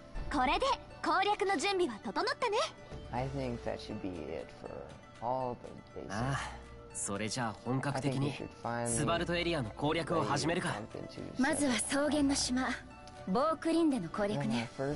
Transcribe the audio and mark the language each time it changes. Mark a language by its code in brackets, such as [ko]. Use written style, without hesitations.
[ja] これで攻略の準備は整ったね。 [en] I think that should be it for all the bases. [ja] ああ。それじゃあ本格的にスバルトエリアの攻略を始めるか。まずは草原の島ボークリンでの攻略ね。